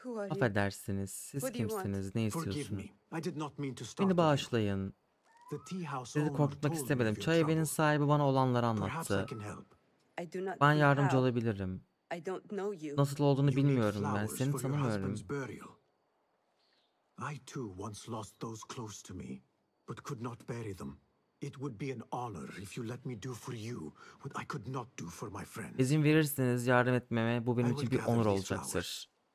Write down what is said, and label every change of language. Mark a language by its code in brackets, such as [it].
[tr] Affedersiniz. Siz kimsiniz? Ne istiyorsunuz? Beni bağışlayın. Sizi korkutmak istemedim. Çay evinin sahibi bana olanları anlattı. Ben yardımcı olabilirim. Nasıl olduğunu bilmiyorum. Ben seni tanımıyorum. [en] I too once lost those close to me, but could not bury them. It would be an honor if you let me do for you what I could not do for my friend. [tr] İzin verirseniz yardım etmeme, bu benim için bir onur olacaktır.